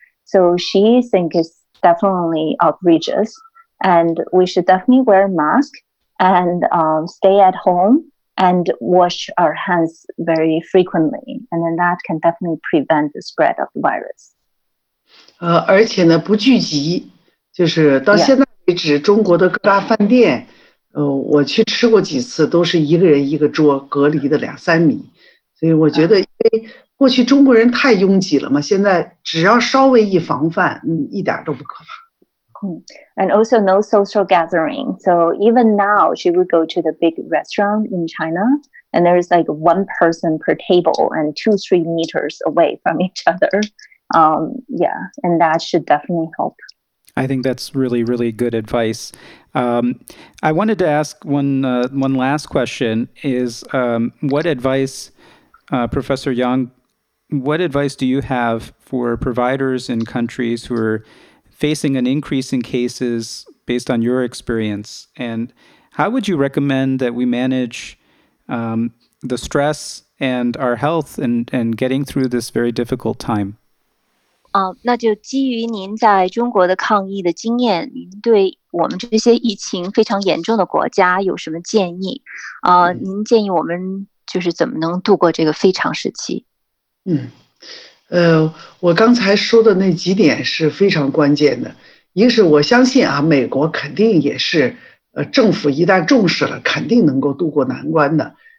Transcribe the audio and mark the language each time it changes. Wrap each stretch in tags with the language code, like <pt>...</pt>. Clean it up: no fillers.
<en>So she thinks it's definitely outrageous, and we should definitely wear masks and stay at home and wash our hands very frequently. And then that can definitely prevent the spread of the virus.</en> <zh>而且呢，不聚集，就是到现在为止，中国的各大饭店，我去吃过几次，都是一个人一个桌，隔离的两三米。所以我觉得，因为过去中国人太拥挤了嘛，现在只要稍微一防范，一点都不可怕。</zh> <en>And also no social gathering. So even now she would go to the big restaurant in China and there's like one person per table and 2-3 meters away from each other. Yeah, and that should definitely help. I think that's really, really good advice. I wanted to ask one last question is what advice, Professor Yang, what advice do you have for providers in countries who are facing an increase in cases based on your experience? And how would you recommend that we manage the stress and our health and getting through this very difficult time?</en> <zh>那就基于您在中国的抗疫的经验，您对我们这些疫情非常严重的国家有什么建议？您建议我们就是怎么能度过这个非常时期？我刚才说的那几点是非常关键的。一个是我相信啊，美国肯定也是，政府一旦重视了，肯定能够渡过难关的。</zh>